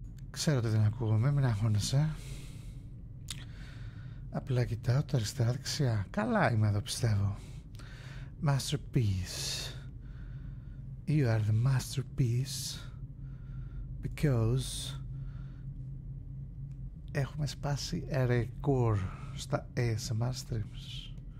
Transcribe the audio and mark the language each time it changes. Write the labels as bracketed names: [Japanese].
[Greek] Ξέρω ότι δεν ακούγομαι, μην αγώνεσαι. Απλά κοιτάω τα αριστερά δεξιά. Καλά είμαι εδώ, πιστεύω. Masterpiece. [English] You are the masterpiece. [Greek] Because έχουμε σπάσει ρεκόρ στα ASMR streams.